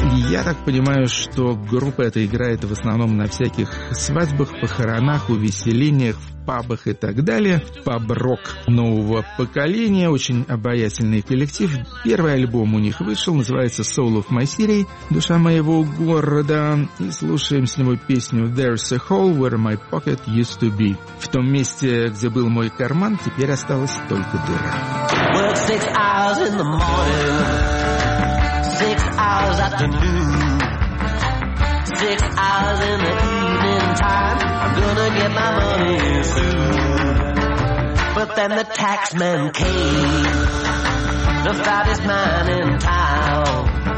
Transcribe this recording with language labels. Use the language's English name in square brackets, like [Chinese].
[Russian] Я так понимаю, что группа эта играет в основном на всяких свадьбах, похоронах, увеселениях, пабах и так далее. Паб-рок нового поколения, очень обаятельный коллектив. Первый альбом у них вышел, называется «Soul of my city», «Душа моего города». И слушаем с него песню [English] «There's a hole where my pocket used to be». [Russian] В том месте, где был мой карман, теперь осталась только дыра. [English] Work 6 hours in the morning, 6 hours afternoon, 6 hours in the evening time, I'm gonna get my money soon. But then the tax man came, the fattest man in town.